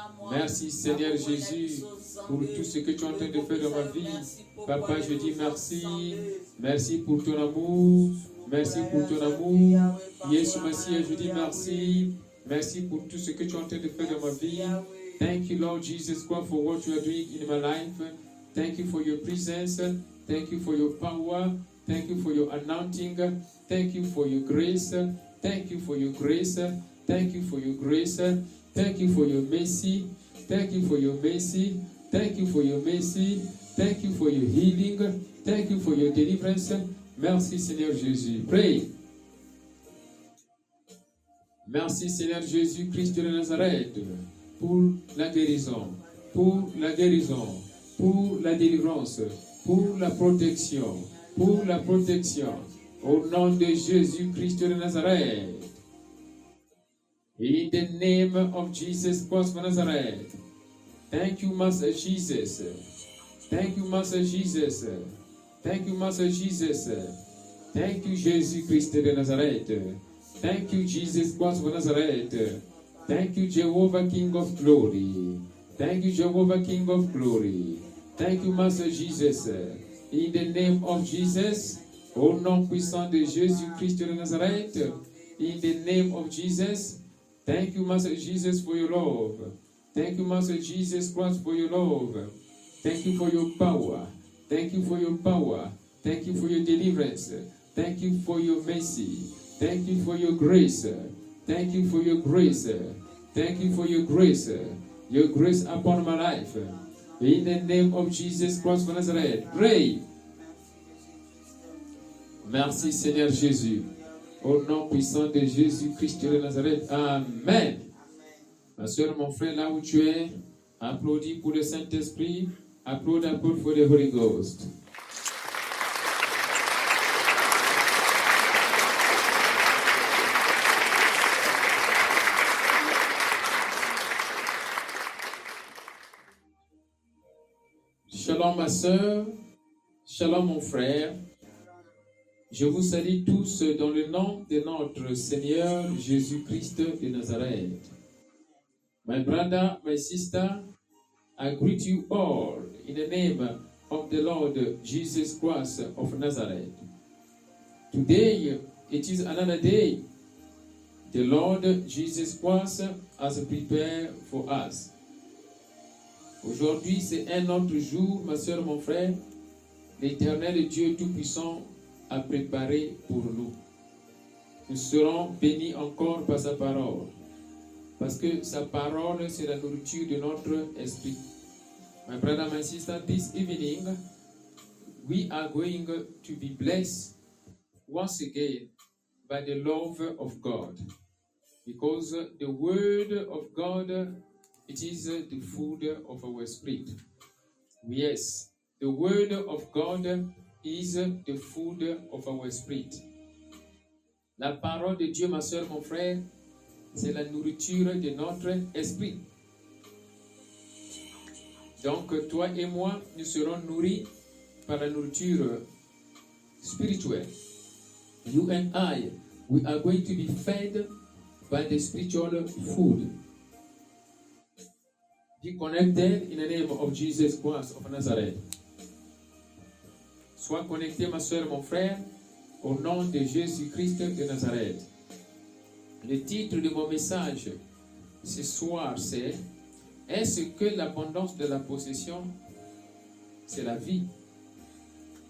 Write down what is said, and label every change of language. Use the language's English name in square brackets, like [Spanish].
[French] Merci, Seigneur Jésus, pour tout ce que tu es en train de faire dans ma vie. Papa, je dis merci. Merci pour ton amour. Merci pour ton amour. Jésus, merci, je dis merci. Merci pour tout ce que tu es en train de faire dans ma vie. [English] Thank you, Lord Jesus Christ, for what you are doing in my life. Thank you for your presence. Thank you for your power. Thank you for your anointing. Thank you for your grace. Thank you for your grace. Thank you for your grace. Thank you for your mercy. Thank you for your mercy. Thank you for your mercy. Thank you for your healing. Thank you for your deliverance. [French] Merci, Seigneur Jésus. [English] Pray. [French] Merci, Seigneur Jésus Christ de Nazareth, pour la guérison, pour la guérison, pour la délivrance, pour la protection, pour la protection. Au nom de Jésus Christ de Nazareth. [English] In the name of Jesus Christ of Nazareth. Thank you, Master Jesus. Thank you, Master Jesus. Thank you, Master Jesus. Thank you, Jesus Christ de Nazareth. Thank you, Jesus Christ of Nazareth. Thank you, Jehovah King of Glory. Thank you, Jehovah King of Glory. Thank you, Master Jesus. In the name of Jesus, [French] au nom puissant de Jesus Christ de Nazareth, [English] in the name of Jesus, thank you, Master Jesus, for your love. Thank you, Master Jesus Christ, for your love. Thank you for your power. Thank you for your power. Thank you for your deliverance. Thank you for your mercy. Thank you for your grace. Thank you for your grace. Thank you for your grace. Your grace upon my life. In the name of Jesus Christ of Nazareth, pray. [French] Merci, Seigneur Jésus. Au nom puissant de Jésus-Christ de Nazareth. Amen. Ma soeur, mon frère, là où tu es, applaudis pour le Saint-Esprit, applaudis pour le Holy Ghost. Shalom, ma soeur. Shalom, mon frère. Je vous salue tous dans le nom de notre Seigneur Jésus-Christ de Nazareth. [English] My brother, my sister, I greet you all in the name of the Lord Jesus Christ of Nazareth. Today, it is another day the Lord Jesus Christ has prepared for us. [French] Aujourd'hui, c'est un autre jour, ma soeur, mon frère, l'éternel Dieu Tout-Puissant a préparé pour nous. Nous serons bénis encore par sa parole, parce que sa parole, c'est la nourriture de notre esprit. [English] My brother, my sister, this evening, we are going to be blessed once again by the love of God, because the word of God, it is the food of our spirit. Yes, the word of God is the food of our spirit. [French] La parole de Dieu, ma soeur, mon frère, c'est la nourriture de notre esprit. Donc, toi et moi, nous serons nourris par la nourriture spirituelle. [English] You and I, we are going to be fed by the spiritual food. Be connected in the name of Jesus Christ of Nazareth. [French] Sois connecté, ma soeur, mon frère, au nom de Jésus-Christ de Nazareth. Le titre de mon message ce soir, c'est « Est-ce que l'abondance de la possession, c'est la vie ?»